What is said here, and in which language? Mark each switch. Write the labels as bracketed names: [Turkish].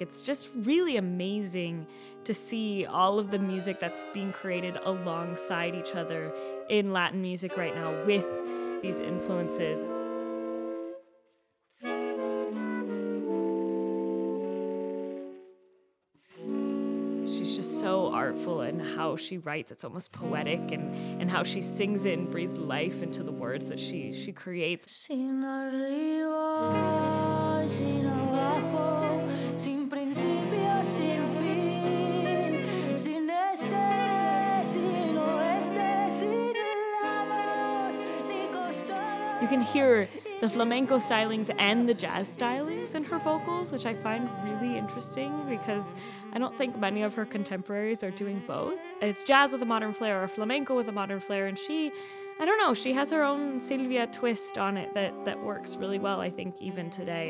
[English] It's just really amazing to see all of the music that's being created alongside each other in Latin music right now with these influences. She's just so artful in how she writes. It's almost poetic, and how she sings it and breathes life into the words that she creates. [Spanish] Sin arriba, sin abajo, sin principio, sin fin, sin este, sin oeste, sin lados, ni costados. [English] You can hear the flamenco stylings and the jazz stylings in her vocals, which I find really interesting because I don't think many of her contemporaries are doing both. It's jazz with a modern flair or flamenco with a modern flair, and she, I don't know, she has her own Silvia twist on it that works really well, I think, even today.